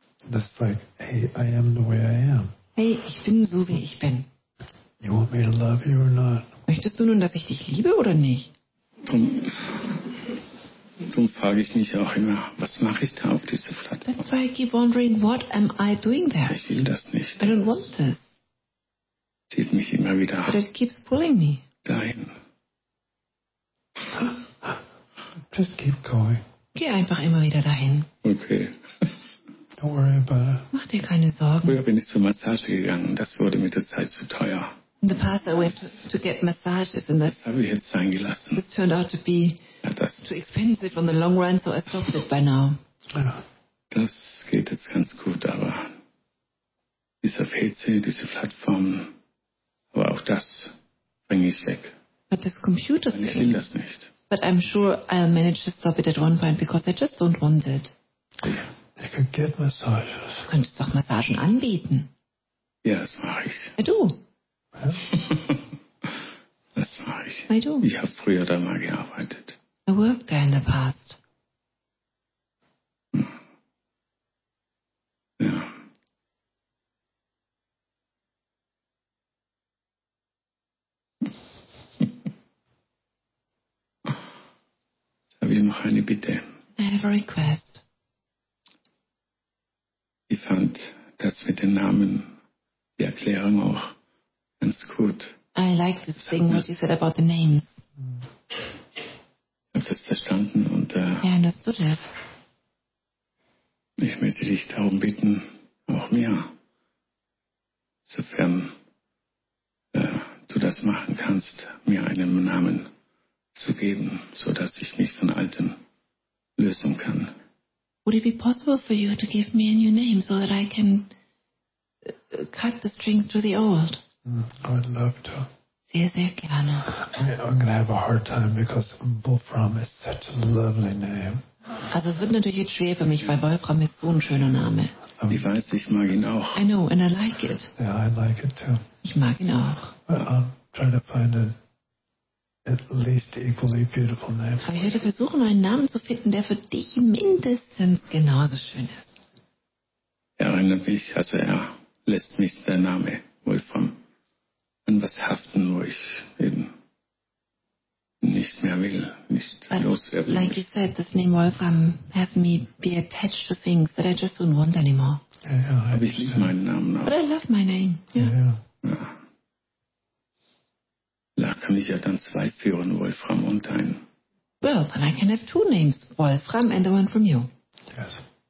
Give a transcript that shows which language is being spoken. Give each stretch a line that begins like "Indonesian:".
English: That's like, hey, I am the way I am.
German: Hey, ich bin so, wie ich bin.
English: You want me to love you or not?
German: Möchtest du nun, dass ich dich liebe oder nicht? Drum frage ich mich auch immer, was mache ich da auf dieser Plattform?
English: That's why I keep wondering, what am I doing there?
German: Ich will das nicht.
English: I don't want this.
German: Zieht mich immer wieder.
English: But it keeps pulling me.
German: Dahin.
English: Just keep going.
German: Geh einfach immer wieder dahin.
English: Okay. Don't worry about it.
German: Mach dir keine Sorgen. Früher bin ich zur Massage gegangen. Das wurde mit der Zeit zu teuer.
English: In the past I went to get massages and
German: das habe ich jetzt sein gelassen.
English: This turned out to be too expensive on the long run, so I stopped it by now.
German: Das geht jetzt ganz gut, aber dieser PC, diese Plattform, aber auch das bringe ich weg.
English: But this computer
German: thing. Ich will das nicht.
English: But I'm sure I'll manage to stop it at one point because I just don't want it. I could get massages.
German: Du könntest doch Massagen anbieten. Ja, das mache ich.
English: I do.
German: Das mache ich.
English: I do.
German: Ich habe früher da mal gearbeitet.
English: I worked there in the past.
German: Ja. Noch eine Bitte.
English: I have a request.
German: Ich fand das mit den Namen, die Erklärung auch ganz gut.
English: I like the thing what you said about the names.
German: Ich habe das verstanden und
English: I understood it.
German: Ich möchte dich darum bitten, auch mir, sofern du das machen kannst, mir einen Namen zu geben, so dass ich mich von Alten lösen kann.
English: Would it be possible for you to give me a new name so that I can cut the strings to the old? I would love to.
German: Sehr, sehr gerne.
English: I'm going to have a hard time because Wolfram is such a lovely name.
German: Also es wird natürlich jetzt schwer für mich, weil Wolfram ist so ein schöner Name. Ich weiß, ich mag ihn auch.
English: I know, and I like it. Yeah, I like it too.
German: Ich mag ihn auch.
English: I'm trying to find it. At least equally beautiful name.
German: Aber ich werde versuchen, einen Namen zu finden, der für dich mindestens genauso schön ist. Erinnert mich, also lässt mich der Name Wolfram an was haften, wo ich eben nicht mehr will, nicht loswerden.
English: Like you said, this name Wolfram has me be attached to things that I just don't want anymore.
German: Ja, aber ich liebe meinen Namen auch.
English: But I love my name.
German: Da kann ich ja dann zwei führen, Wolfram und ein.
English: Well, then I can have two names, Wolfram and the one from you. Yes.